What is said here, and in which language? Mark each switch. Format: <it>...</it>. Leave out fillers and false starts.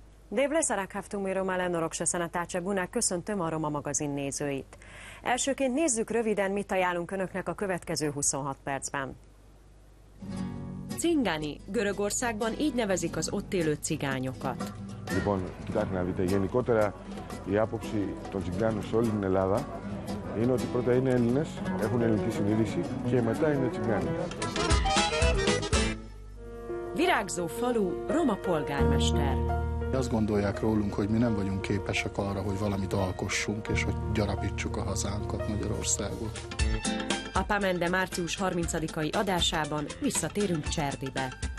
<hu>Dév Lezarák Haftumirom Alenorok Sesen a Tácsebunák, köszöntöm a Roma magazin nézőit. Elsőként nézzük röviden, mit ajánlunk önöknek a következő 26 percben. Cingani, Görögországban így nevezik az ott élő cigányokat.</hu> <el>Λοιπόν, κοιτάξτε να δείτε, γενικότερα η άποψη των τσιγκάνων σε όλη την Ελλάδα είναι ότι πρώτα είναι Έλληνες, έχουν ελληνική συνείδηση και μετά είναι τσιγκάνοι.</el> <hu>Virágzó falu, Roma polgármester. Azt gondolják rólunk, hogy mi nem vagyunk képesek arra, hogy valamit alkossunk, és hogy gyarapítsuk a hazánkat, Magyarországot. A Pamende március 30-ai adásában visszatérünk Cserdibe.</hu>